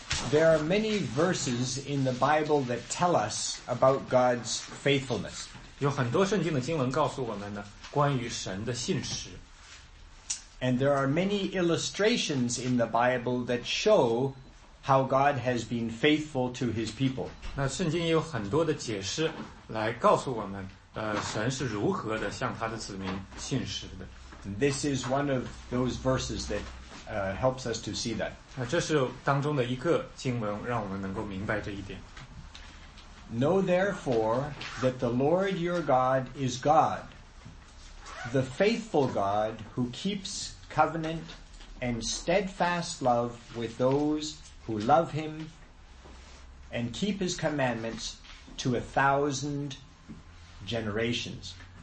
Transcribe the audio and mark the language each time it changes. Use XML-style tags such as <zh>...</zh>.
<en>There are many verses in the Bible that tell us about God's faithfulness.</en> <zh>有很多圣经的经文告诉我们呢，关于神的信实。</zh> <en>And there are many illustrations in the Bible that show how God has been faithful to his people.</en> <zh>那圣经有很多的解释来告诉我们, 神是如何的向他的子民信实的。</zh> <en>This is one of those verses that helps us to see that.</en> <zh>这是当中的一个经文让我们能够明白这一点。</zh> <en>Know therefore that the Lord your God is God, the faithful God who keeps covenant and steadfast love with those who love him and keep his commandments to 1,000 generations.</en>